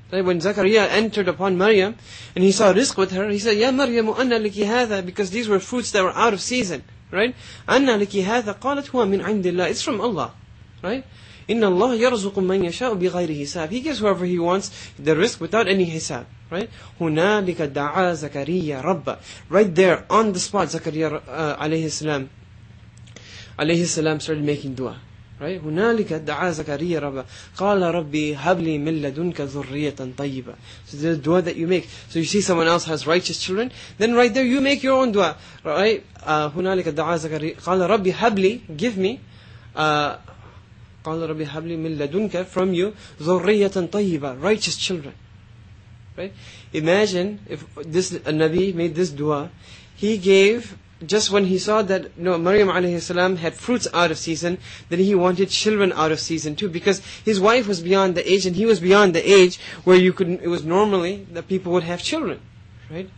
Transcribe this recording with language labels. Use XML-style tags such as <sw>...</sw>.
<en>Right, when Zakaria entered upon Maryam and he saw rizq with her, he said,</en> <ar>يا مريم أن لك هذا,</ar> <en>because these were fruits that were out of season.</en> <ar>Right, أن لك هذا. قالت هو من عند الله.</ar> <en>It's from Allah.</en> <ar>Right, إن الله يرزق من يشاء بغير حساب.</ar> <en>He gives whoever he wants the rizq without any hisab.</en> <ar>Right, هنالك دعا زكريا ربه.</ar> <en>Right there, on the spot, زكريا عليه السلام started making dua.</en> <ar>Right, هنالك دعا زكريا ربه. قال ربي هب لي من لدنك ذرية طيبة.</ar> <en>So the dua that you make. So you see someone else has righteous children, then right there you make your own dua.</en> <ar>Right, هنالك دعا زكريا. قال ربي هب لي,</ar> <en>give me.</en> <ar>قال ربي هب لي من لدنك,</ar> <en>from you,</en> <ar>ذرية طيبة,</ar> <en>righteous children. Right? Imagine if this Nabi made this dua, he gave just when he saw that Maryam alayhi salam had fruits out of season, then he wanted children out of season too, because his wife was beyond the age and he was beyond the age where you could, it was normally that people would have children. Right?</en>